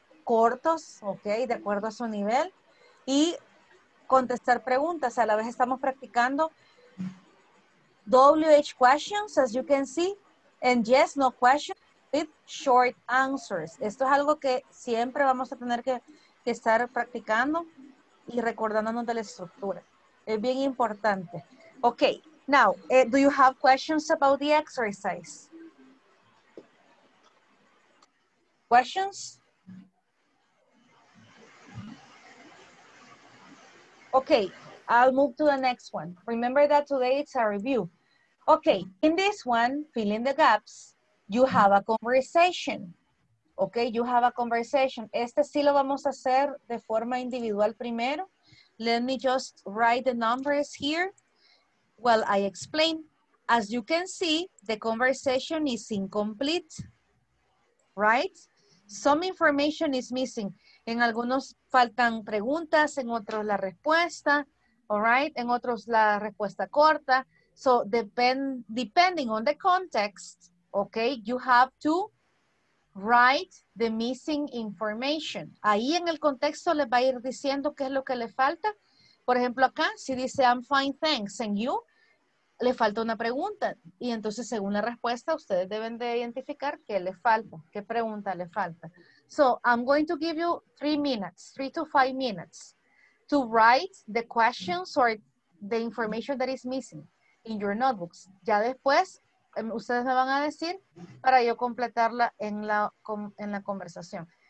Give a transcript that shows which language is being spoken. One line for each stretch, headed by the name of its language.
Spanish: cortos, ok, de acuerdo a su nivel, y contestar preguntas. A la vez estamos practicando
English: WH questions, as you can see, and yes, no questions, with short answers.
Spanish: Esto es algo que siempre vamos a tener que estar practicando y recordándonos de la estructura. Es bien importante.
English: Ok, now, do you have questions about the exercise? Questions? Okay, I'll move to the next one. Remember that today it's a review. Okay, in this one, fill in the gaps, you have a conversation. Okay, you have a conversation.
Spanish: Este sí lo vamos a hacer de forma individual primero.
English: Let me just write the numbers here. Well, I explain. As you can see, the conversation is incomplete, right? Some information is missing.
Spanish: En algunos faltan preguntas, en otros la respuesta,
English: all right?
Spanish: En otros la respuesta corta.
English: So depending on the context, okay, you have to write the missing information.
Spanish: Ahí en el contexto les va a ir diciendo qué es lo que le falta. Por ejemplo, acá, si dice
English: I'm fine, thanks, and you,
Spanish: le falta una pregunta. Y entonces, según la respuesta, ustedes deben de identificar qué le falta, qué pregunta le falta.
English: So, I'm going to give you 3 minutes, 3 to 5 minutes, to write the questions or the information that is missing in your notebooks.
Spanish: Ya después, ustedes me van a decir para yo completarla en la conversación.